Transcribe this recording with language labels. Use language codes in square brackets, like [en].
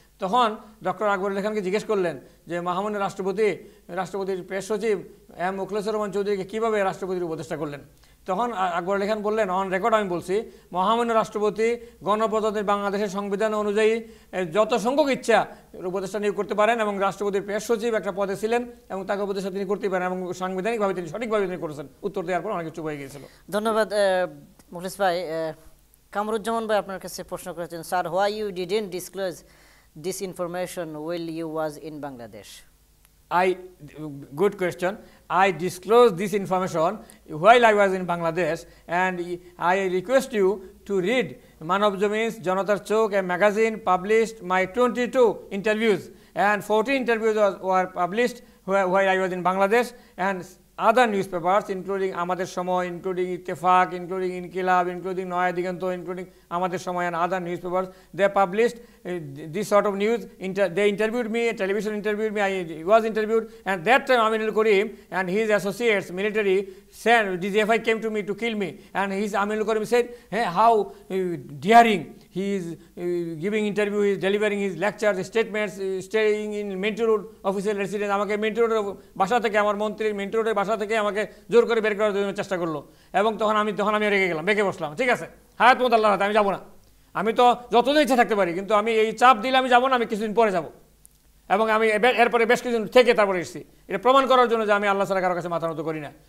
[bn] তখন ডক্টর আকবর আলী খানকে জিজ্ঞেস করলেন যে মহামান্য রাষ্ট্রপতি, রাষ্ট্রপতির প্রেস সচিব এম মুখলেসুর রহমান চৌধুরীকে কীভাবে রাষ্ট্রপতির উপদেষ্টা করলেন, তখন আকবর আলী খান বললেন, অন রেকর্ড আমি বলছি, মহামান্য রাষ্ট্রপতি গণপ্রজাতন্ত্রী বাংলাদেশের সংবিধান অনুযায়ী যত সংখ্যক ইচ্ছা উপদেষ্টা নিয়োগ করতে পারেন, এবং রাষ্ট্রপতির প্রেস সচিব একটা পদে ছিলেন এবং তাকে উপদেষ্টা তিনি করতে পারেন, এবং সাংবিধানিকভাবে তিনি সঠিকভাবে তিনি করেছেন। উত্তর দেওয়ার পর অনেক কিছু হয়ে গিয়েছিল। ধন্যবাদ মুখলেস ভাই। কামরুজ্জামান ভাই আপনার কাছে প্রশ্ন করেছেন, [en] Sir why you didn't disclose this information while you was in Bangladesh? I good question, I disclosed this information while I was in Bangladesh, and I request you to read Manav Jamin's Janatar Chok, a magazine published my 22 interviews, and 14 interviews were published while I was in Bangladesh, and other newspapers including Amader Shomoy, including Ittefaq, including Inqilab, including Naya Digant, including Amader Shomoy and other newspapers, they published this sort of news. They interviewed me, television interviewed me, I was interviewed, and that time Aminul Karim and his associates, military, said DGFI came to me to kill me, and his Aminul Karim said, hey, how daring he is giving interview, he is delivering his lectures, his statements, staying in Minto Road official residence. [bn] আমাকে Minto রোডের বাসা থেকে, আমার মন্ত্রীর Minto রোডের বাসা থেকে আমাকে জোর করে বের করার জন্য চেষ্টা করলো, এবং তখন আমি রেগে গেলাম, রেগে বসলাম, ঠিক আছে হায়াত মোদ আল্লাহ, আমি যাবো না, আমি তো যতদিন ইচ্ছা থাকতে পারি, কিন্তু আমি এই চাপ দিলে আমি যাবো না, আমি কিছুদিন পরে যাবো, এবং আমি এরপরে বেশ কিছুদিন থেকে তারপরে এসেছি এটা প্রমাণ করার জন্য যে আমি আল্লাহ সালা কারোর কাছে মাথা নত করি না।